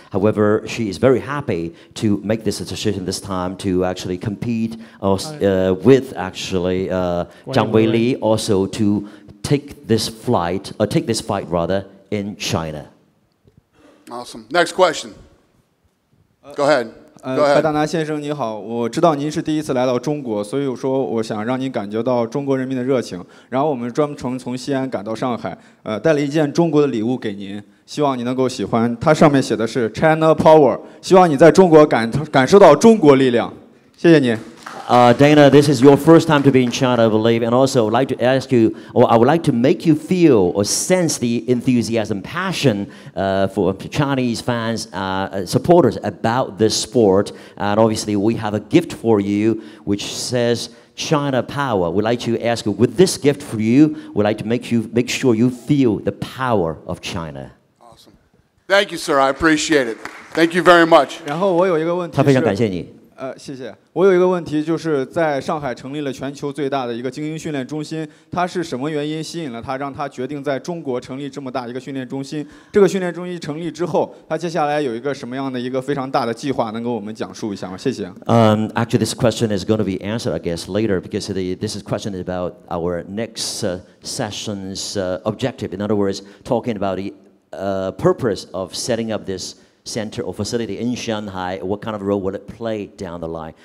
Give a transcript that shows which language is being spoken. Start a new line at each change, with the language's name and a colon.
English: However, she is very happy to make this decision this time to actually compete with actually Zhang Weili, also to take this fight rather in China. Awesome. Next question. Go ahead.
Chinese: 白大拿先生你好，我知道您是第一次来到中国，所以说我想让您感觉到中国人民的热情，然后我们专程从西安赶到上海，带了一件中国的礼物给您，希望你能够喜欢，它上面写的是
English: China Power，
Chinese: 希望你在中国感受到中国力量，谢谢您。
English: Dana, this is your first time to be in China, I believe, and also would like to ask you, or I would like to make you feel or sense the enthusiasm, passion for Chinese fans, supporters about this sport. And obviously, we have a gift for you, which says China Power. We'd like to ask you, with this gift for you, we'd like to make sure you feel the power of China. Awesome. Thank you, sir. I appreciate it. Thank you very much.
Chinese: 然后我有一个问题，他非常感谢你。谢谢。我有一个问题，就是在上海成立了全球最大的一个精英训练中心，它是什么原因吸引了他，让他决定在中国成立这么大一个训练中心？这个训练中心成立之后，他接下来有一个什么样的一个非常大的计划，能跟我们讲述一下吗？谢谢。
English: Actually, this question is going to be answered, I guess, later, because this question is about our next session's objective. In other words, talking about the purpose of setting up this. Center or facility in Shanghai, what kind of role will it play down the line?